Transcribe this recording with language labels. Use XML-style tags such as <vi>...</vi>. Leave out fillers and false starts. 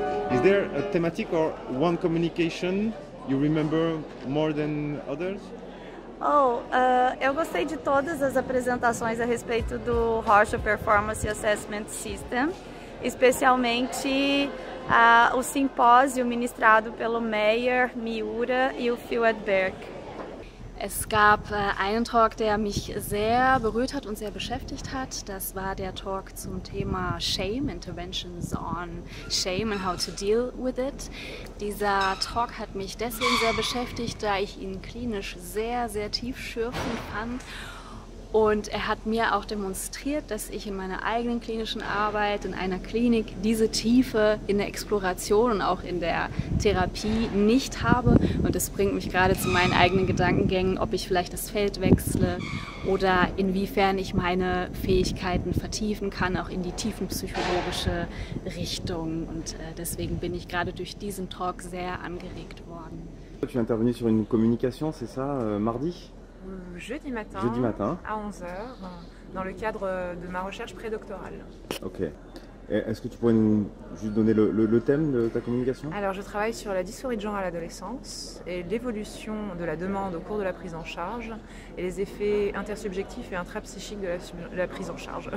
<en>Is there a thematic or one communication you remember more than others?</en> <pt>Oh, eu gostei de todas as apresentações a respeito do Horsham Performance Assessment System, especialmente o simpósio ministrado pelo Meyer, Miura e o Phil Edberg.</pt> <de>Es gab einen Talk, der mich sehr berührt hat und sehr beschäftigt hat. Das war der Talk zum Thema</de> <en>Shame, Interventions on Shame and how to deal with it.</en> <de>Dieser Talk hat mich deswegen sehr beschäftigt, da ich ihn klinisch sehr, sehr tiefschürfend fand. Und er hat mir auch demonstriert, dass ich in meiner eigenen klinischen Arbeit, in einer Klinik, diese Tiefe in der Exploration und auch in der Therapie nicht habe. Und das bringt mich gerade zu meinen eigenen Gedankengängen, ob ich vielleicht das Feld wechsle oder inwiefern ich meine Fähigkeiten vertiefen kann, auch in die tiefenpsychologische Richtung. Und deswegen bin ich gerade durch diesen Talk sehr angeregt worden.</de> <fr>Tu intervenais sur une communication, c'est ça, mardi? Jeudi matin à 11h dans le cadre de ma recherche prédoctorale. Ok. Est-ce que tu pourrais nous juste donner le thème de ta communication? Alors, je travaille sur la dysphorie de genre à l'adolescence et l'évolution de la demande au cours de la prise en charge et les effets intersubjectifs et intrapsychiques de la prise en charge.</fr>